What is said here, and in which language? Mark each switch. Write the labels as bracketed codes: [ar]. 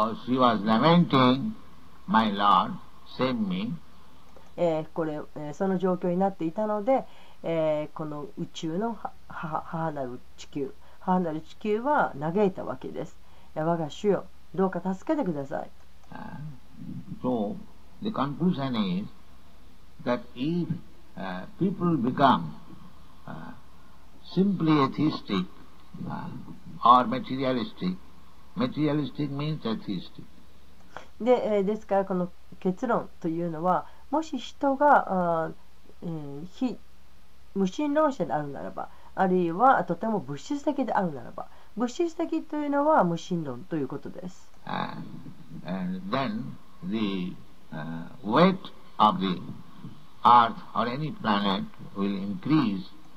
[en] She was lamenting, my lord, save me. [ja] その状況になっていたので、この宇宙の母なる地球、母なる地球は嘆いたわけです。我が主よ、どうか助けてください。 [en] So, the conclusion is that if people become simply atheistic or materialistic, materialistic means atheistic. [ja] ですからこの結論というのは、もし人が非無神論者であるならば、あるいはとても物質的であるならば、物質的というのは無神論ということです。 [en] and then the weight of the earth or any planet will increase。